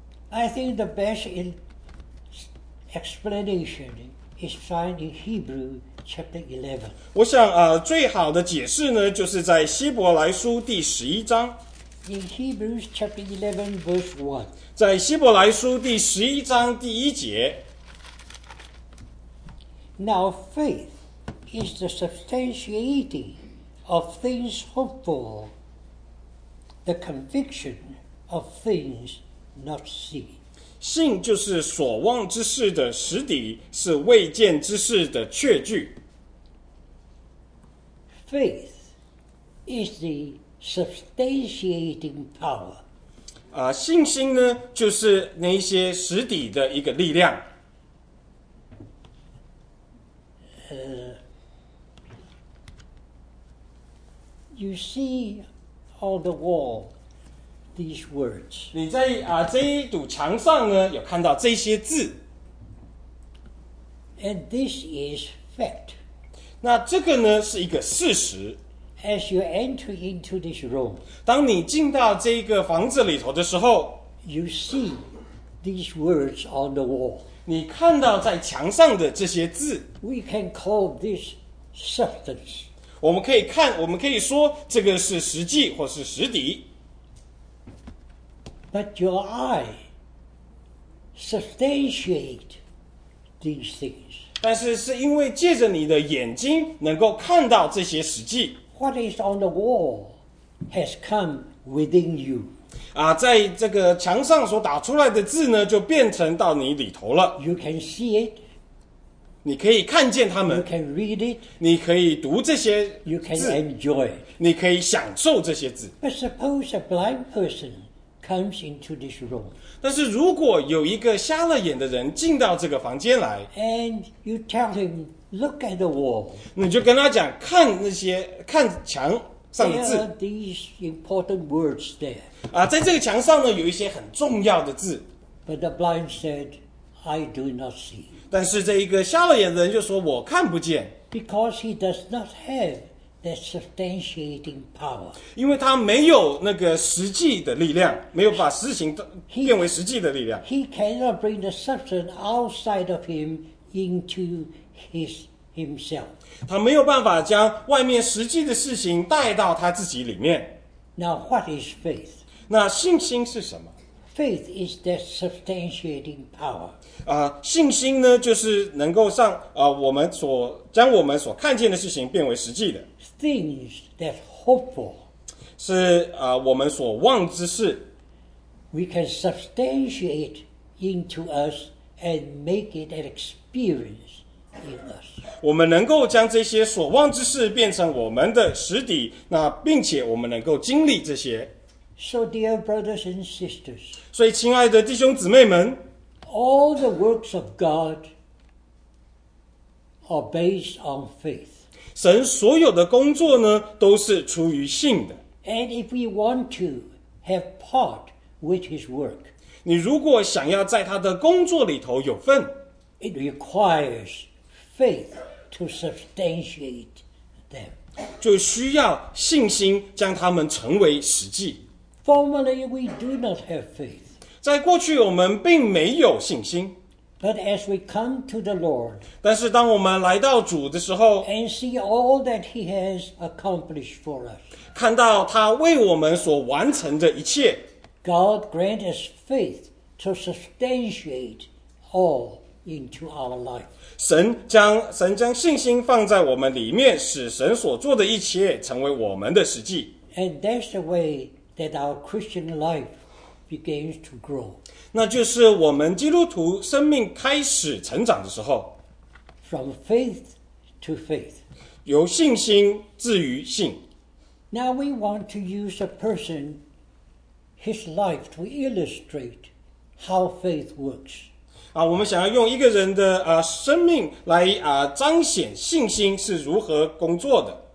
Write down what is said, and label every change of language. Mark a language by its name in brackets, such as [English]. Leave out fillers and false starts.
[English] I think the best explanation is found in Hebrew chapter 11. [Chinese] 我想最好的解释呢就是在希伯来书第十一章。 [English] In Hebrews chapter 11 verse 1. [Chinese] 在希伯来书第十一章第一节。 [English] Now faith is the substantiating of things hoped for. The conviction of things not seen. [Chinese] 信就是所望之事的实底，是未见之事的确据。 [English] Faith is the substantiating power. [Chinese] 信心呢，就是那些实底的一个力量。 [English] You see. On the wall, these words. [Chinese] 你在这一堵墙上呢，有看到这些字。 [English] And this is fact. [Chinese] 那这个呢，是一个事实。 [English] As you enter into this room, [Chinese] 当你进到这个房子里头的时候 [English] ，you see these words on the wall. [Chinese] 你看到在墙上的这些字。 [English] We can call this substance. [Chinese] 我们可以看，我们可以说这个是实际或是实底。 [English] But your eye substantiate these things. [Chinese] 但是是因为借着你的眼睛能够看到这些实际。 [English] What is on the wall has come within you. [Chinese] 在这个墙上所打出来的字呢，就变成到你里头了。 [English] You can see it. [Chinese] 你可以看见他们 [English] you can read it, [Chinese] 你可以读这些字 [English] you can enjoy. [Chinese] 你可以享受这些字 [English] But suppose a blind person comes into this room, [Chinese] 但是如果有一个瞎了眼的人进到这个房间来 [English] and you tell him, look at the wall, [Chinese] 你就跟他讲看那些看墙上的字 [English] there are these important words there. [Chinese] 在这个墙上呢有一些很重要的字 [English] But the blind said, I do not see. [Chinese] 但是这一个瞎了眼的人就说我看不见 [English] Because he does not have the substantiating power. [Chinese] 因为他没有那个实际的力量，没有把事情变为实际的力量。 [English] He cannot bring the substance outside of him into his himself. [Chinese] 他没有办法将外面实际的事情带到他自己里面。 [English] Now what is faith? [Chinese] 那信心是什么？ [English] Faith is the substantiating power. [Chinese] 信心呢，就是能够让我们所将我们所看见的事情变为实际的。 [English] Things that hope for [Chinese] 是我们所望之事。 [English] We can substantiate into us and make it an experience in us. [Chinese] 我们能够将这些所望之事变成我们的实底，那并且我们能够经历这些。 [English] So, dear brothers and sisters, [Chinese] 所以亲爱的弟兄姊妹们 [English] all the works of God are based on faith. [Chinese] 神所有的工作呢，都是出于信的。 [English] And if we want to have part with His work, [Chinese] 你如果想要在他的工作里头有份 [English] it requires faith to substantiate them. [Chinese] 就需要信心将他们成为实际。 [English] Formerly, we do not have faith. [Chinese] 在过去我们并没有信心。 [English] But as we come to the Lord, [Chinese] 但是当我们来到主的时候 [English] and see all that He has accomplished for us, [Chinese] 看到他为我们所完成的一切 [English] God grant us faith to substantiate all into our life. [Chinese] 神将信心放在我们里面，使神所做的一切成为我们的实际。 [English] And that's the way that our Christian life begins to grow. [Chinese] 那就是我们基督徒生命开始成长的时候。 [English] From faith to faith. [Chinese] 由信心至于信。 [English] Now we want to use a person, his life, to illustrate how faith works. [Chinese] 我们想要用一个人的生命来彰显信心是如何工作的。